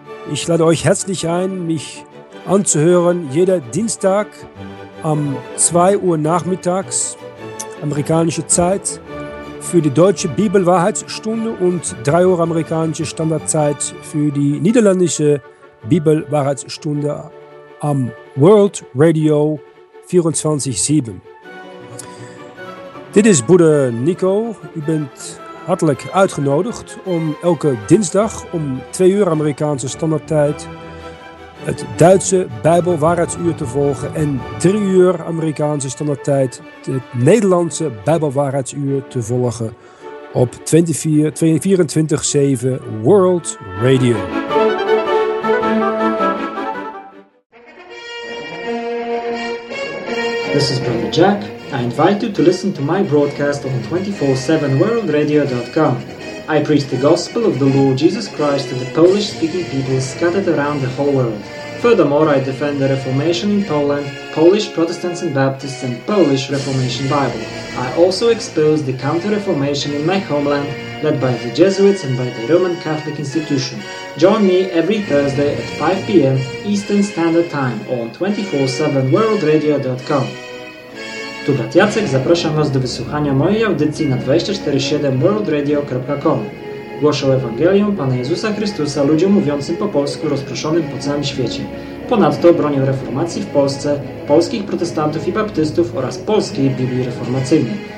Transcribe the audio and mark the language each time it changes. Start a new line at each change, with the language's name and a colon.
German: Ich lade euch herzlich ein, mich anzuhören, jeder Dienstag um 2 Uhr nachmittags, amerikanische Zeit, für die deutsche Bibelwahrheitsstunde und 3 Uhr amerikanische Standardzeit für die niederländische Bibelwahrheitsstunde am World Radio 24/7.
Dutch: Dit is Bruder Nico. U bent hartelijk uitgenodigd om elke dinsdag om 2 uur amerikanische standaardtijd het Duitse Bijbelwaarheidsuur te volgen en 3 uur Amerikaanse standaardtijd het Nederlandse Bijbelwaarheidsuur te volgen op 24/7 World Radio.
English: This is Brother Jack. I invite you to listen to my broadcast on 247worldradio.com. I preach the gospel of the Lord Jesus Christ to the Polish-speaking people scattered around the whole world. Furthermore, I defend the Reformation in Poland, Polish Protestants and Baptists, and Polish Reformation Bible. I also expose the Counter-Reformation in my homeland, led by the Jesuits and by the Roman Catholic Institution. Join me every Thursday at 5 p.m. Eastern Standard Time on 247worldradio.com.
Polish: Tu brat Jacek, zapraszam Was do wysłuchania mojej audycji na 247worldradio.com. Głoszę Ewangelię Pana Jezusa Chrystusa ludziom mówiącym po polsku rozproszonym po całym świecie. Ponadto bronię reformacji w Polsce, polskich protestantów i baptystów oraz polskiej Biblii reformacyjnej.